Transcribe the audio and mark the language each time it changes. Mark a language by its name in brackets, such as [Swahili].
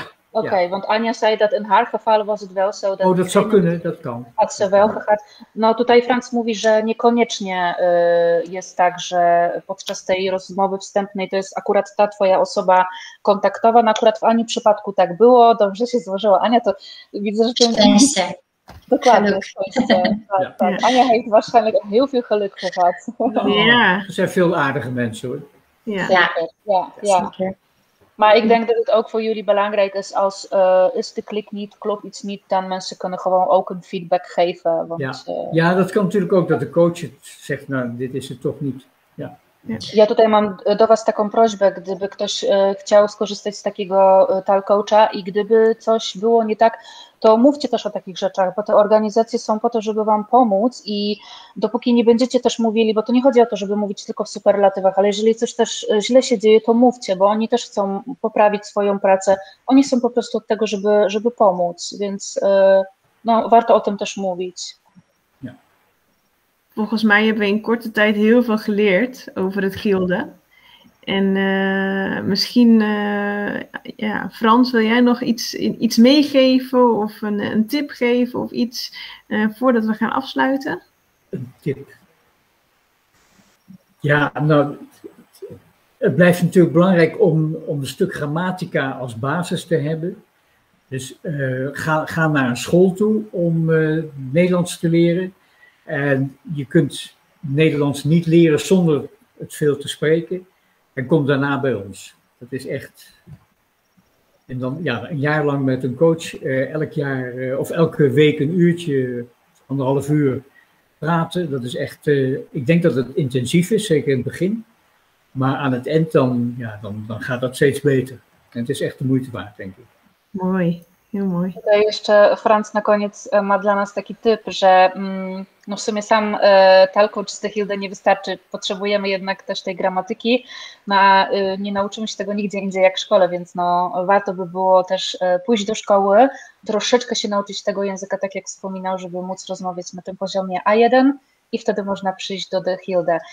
[Dutch] Oké, want Anja zei dat in haar geval was het wel zo. Dat dat zou kunnen, dat kan. Had ze wel gehad. [Polish] No, tutaj Frans mówi, że niekoniecznie jest tak, że podczas tej rozmowy wstępnej to jest akurat ta twoja osoba kontaktowa. No, akurat w Ani przypadku tak było. Dobrze się złożyło. Ania, to widzę, że... Szczęście. Dokładnie. [Dutch] Anja heeft waarschijnlijk heel veel geluk gehad. Ja. Ze zijn veel aardige mensen, hoor. Ja. Maar ik denk dat het ook voor jullie belangrijk is als is de klik niet, klopt iets niet, dan mensen kunnen gewoon ook een feedback geven. Want, Ja, dat kan natuurlijk ook dat de coach het zegt, nou, dit is het toch niet. Ja. [Polish] Ja tutaj mam do Was taką prośbę, gdyby ktoś chciał skorzystać z takiego talk coacha i gdyby coś było nie tak, to mówcie też o takich rzeczach, bo te organizacje są po to, żeby Wam pomóc i dopóki nie będziecie też mówili, bo to nie chodzi o to, żeby mówić tylko w superlatywach, ale jeżeli coś też źle się dzieje, to mówcie, bo oni też chcą poprawić swoją pracę. Oni są po prostu od tego, żeby pomóc, więc no, warto o tym też mówić. [Dutch] Volgens mij hebben we in korte tijd heel veel geleerd over het gilde. En misschien, Frans, wil jij nog iets meegeven of een tip geven of iets voordat we gaan afsluiten? Een tip. Ja, nou, het blijft natuurlijk belangrijk om een stuk grammatica als basis te hebben. Dus ga naar een school toe om Nederlands te leren. En je kunt Nederlands niet leren zonder het veel te spreken. En kom daarna bij ons. Dat is echt. En dan ja, een jaar lang met een coach. Elk jaar of elke week een uurtje, anderhalf uur praten. Dat is echt. Ik denk dat het intensief is, zeker in het begin. Maar aan het eind dan gaat dat steeds beter. En het is echt de moeite waard, denk ik. Mooi. Heel mooi. [Polish] Tutaj jeszcze Franz na koniec ma dla nas taki tip, że no w sumie sam talk coach z tej Hilde nie wystarczy. Potrzebujemy jednak też tej gramatyki. No, nie nauczymy się tego nigdzie indziej jak w szkole, więc no, warto by było też pójść do szkoły, troszeczkę się nauczyć tego języka, tak jak wspominał, żeby móc rozmawiać na tym poziomie A1 i wtedy można przyjść do tej Hilde.